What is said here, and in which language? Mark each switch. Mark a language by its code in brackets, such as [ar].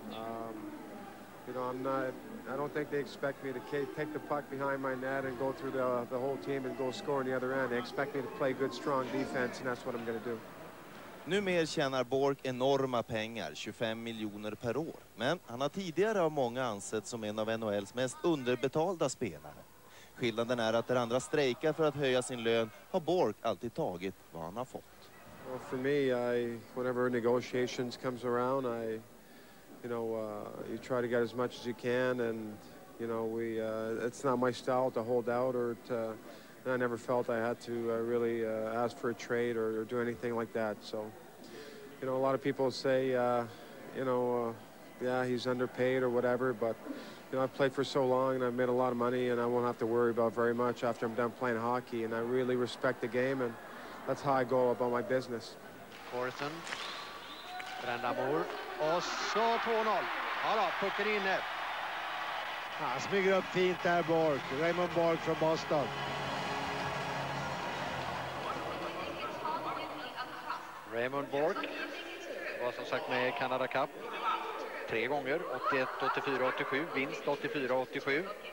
[en] You know, I don't think they expect me to take the puck behind my net and go through the whole team and go score on the other end. They expect me to play good, strong defense, and that's what I'm going to do. [sv] Numer tjänar Bork enorma pengar, 25 miljoner per år. Men han har tidigare av många ansett som en av NHLs mest underbetalda spelare. Skillnaden är att där andra strejkar för att höja sin lön har Bork alltid tagit vad han har fått. [en] Well, for me, whenever negotiations comes around, you try to get as much as you can, and you know, it's not my style to hold out or to. And I never felt I had to really ask for a trade or do anything like that. So, you know, a lot of people say, yeah, he's underpaid or whatever. But you know, I've played for so long and I've made a lot of money, and I won't have to worry about very much after I'm done playing hockey. And I really respect the game, and that's how I go about my business. [sv] Corson, Brändamor, och så 2-0. Ja då, pucken inne. Han smyger upp fint där, Bork. Raymond Bork från Boston. Raymond Bork var som sagt med i Canada Cup tre gånger, 81, 84, 87, vinst 84, 87.